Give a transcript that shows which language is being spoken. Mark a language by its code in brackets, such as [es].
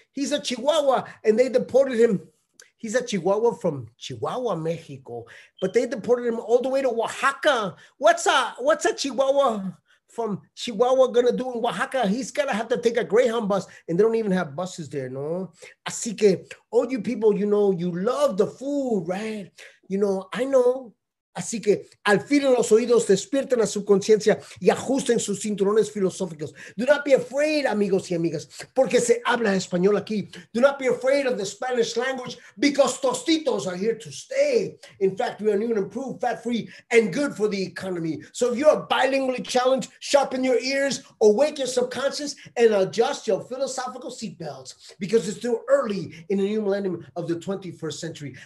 [en] He's a Chihuahua, and they deported him. He's a Chihuahua from Chihuahua, Mexico, but they deported him all the way to Oaxaca. What's a Chihuahua from Chihuahua gonna do in Oaxaca? He's gonna have to take a Greyhound bus, and they don't even have buses there, no? [es] Así que, [en] all you people, you know, you love the food, right? You know, I know. [es] Así que, alfilen los oídos, despierten a su conciencia y ajusten sus cinturones filosóficos. [en] Do not be afraid, [es] amigos y amigas, porque se habla español aquí. [en] Do not be afraid of the Spanish language, because tostitos are here to stay. In fact, we are new and improved, fat-free, and good for the economy. So if you're bilingually challenged, sharpen your ears, awake your subconscious, and adjust your philosophical seatbelts, because it's still early in the new millennium of the 21st century.